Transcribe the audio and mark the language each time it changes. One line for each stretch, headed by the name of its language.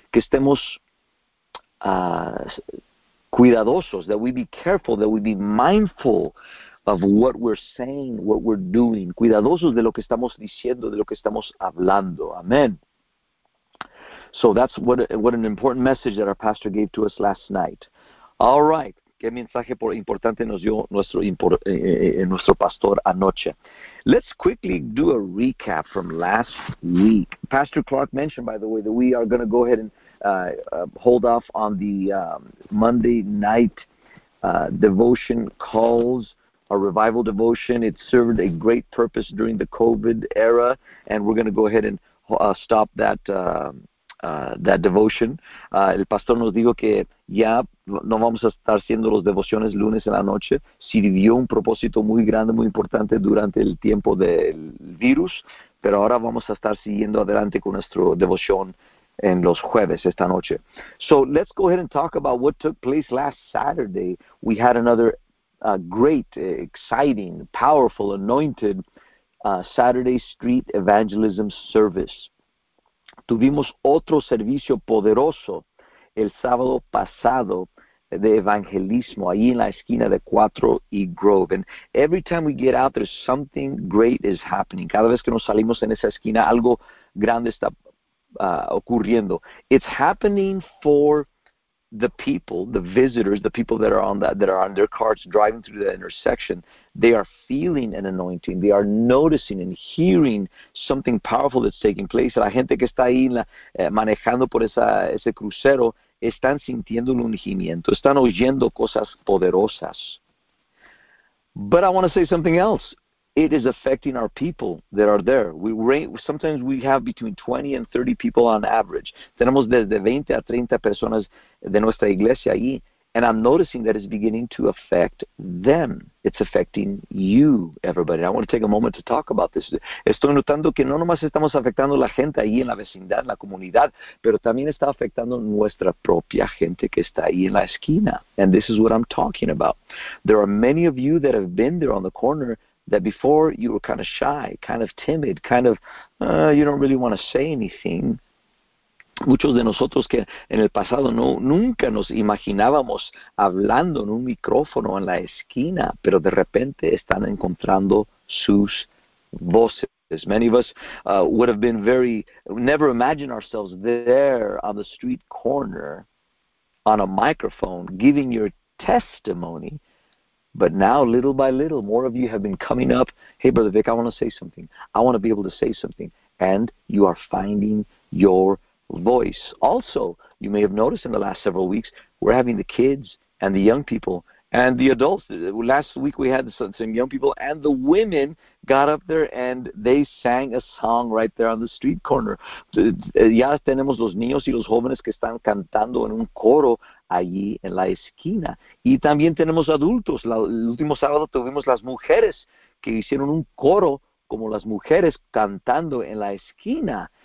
Spanish: Que estemos cuidadosos,
English: that we be careful, that we be mindful of what we're saying, what we're doing.
Spanish: Cuidadosos de lo que estamos diciendo, de lo que estamos hablando.
English: Amen. So that's what an important message that our pastor gave to us last night. All right.
Spanish: ¿Qué mensaje importante nos dio nuestro pastor anoche?
English: Let's quickly do a recap from last week. Pastor Clark mentioned, by the way, that we are going to go ahead and hold off on the Monday night devotion calls. Our revival devotion, it served a great purpose during the COVID era, and we're going to go ahead and stop that that devotion.
Spanish: El pastor nos dijo que ya no vamos a estar haciendo los devociones lunes en la noche. Sirvió un propósito muy grande, muy importante durante el tiempo del virus, pero ahora vamos a estar siguiendo adelante con nuestro devoción en los jueves esta noche.
English: So let's go ahead and talk about what took place last Saturday. We had another great, exciting, powerful, anointed Saturday Street Evangelism Service.
Spanish: Tuvimos otro servicio poderoso el sábado pasado de evangelismo ahí en la esquina de 4 y Grove.
English: And every time we get out, there's something great is happening.
Spanish: Cada vez que nos salimos en esa esquina, algo grande está ocurriendo.
English: It's happening for the people, the visitors, the people that are on that, that are on their carts driving through the intersection, they are feeling an anointing. They are noticing and hearing something powerful that's taking place.
Spanish: La gente que está ahí manejando por ese crucero están sintiendo un ungimiento, están oyendo cosas poderosas.
English: But I want to say something else. It is affecting our people that are there. Sometimes we have between 20 and 30 people on average. Tenemos desde 20 a 30 personas de nuestra iglesia ahí. And I'm noticing that it's beginning to affect them. It's affecting you, everybody. I want to take a moment to talk about this.
Spanish: Estoy notando que no nomás estamos afectando la gente ahí en la vecindad, en la comunidad, pero también está afectando nuestra propia gente que está ahí en la esquina.
English: And this is what I'm talking about. There are many of you that have been there on the corner that before you were kind of shy, kind of timid, kind of, you don't really want to say anything.
Spanish: Muchos de nosotros que en el pasado nunca nos imaginábamos hablando en un micrófono en la esquina, pero de repente están encontrando sus voces.
English: Many of us would have been never imagine ourselves there on the street corner on a microphone giving your testimony. But now, little by little, more of you have been coming up. Hey, Brother Vic, I want to say something. I want to be able to say something. And you are finding your voice. Also, you may have noticed in the last several weeks, we're having the kids and the young people and the adults. Last week we had some young people and the women got up there and they sang a song right there on the street corner.
Spanish: Ya tenemos los niños y los jóvenes que están cantando en un coro allí en la esquina. Y también tenemos adultos. El último sábado tuvimos las mujeres que hicieron un coro como las mujeres cantando en la esquina.